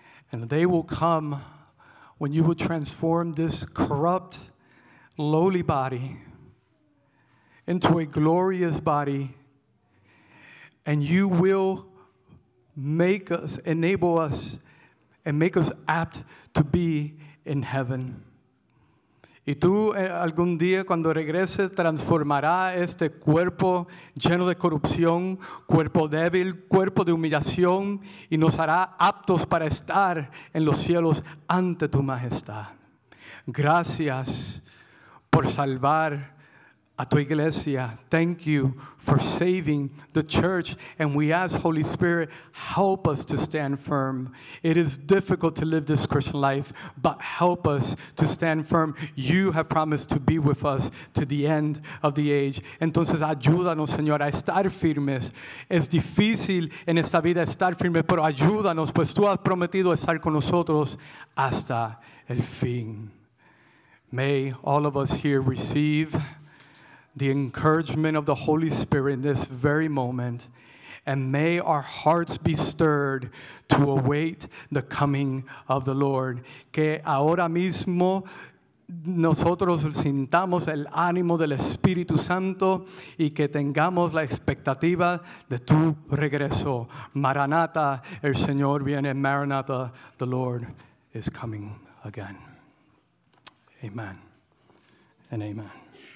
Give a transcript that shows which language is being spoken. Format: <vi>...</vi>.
<en>And the day will come when you will transform this corrupt, lowly body into a glorious body, and you will make us, enable us, and make us apt to be in heaven.</en> <es>Y tú algún día cuando regreses transformará este cuerpo lleno de corrupción, cuerpo débil, cuerpo de humillación, y nos hará aptos para estar en los cielos ante tu majestad. Gracias por salvar a tu iglesia.</es> <en>Thank you for saving the church. And we ask, Holy Spirit, help us to stand firm. It is difficult to live this Christian life, but help us to stand firm. You have promised to be with us to the end of the age.</en> <es>Entonces, ayúdanos, Señor, a estar firmes. Es difícil en esta vida estar firme, pero ayúdanos, pues tú has prometido estar con nosotros hasta el fin.</es> <en>May all of us here receive the encouragement of the Holy Spirit in this very moment, and may our hearts be stirred to await the coming of the Lord.</en> <es>Que ahora mismo nosotros sintamos el ánimo del Espíritu Santo y que tengamos la expectativa de tu regreso. Maranatha, el Señor viene.</es> <en>Maranatha, the Lord is coming again. Amen and amen.</en>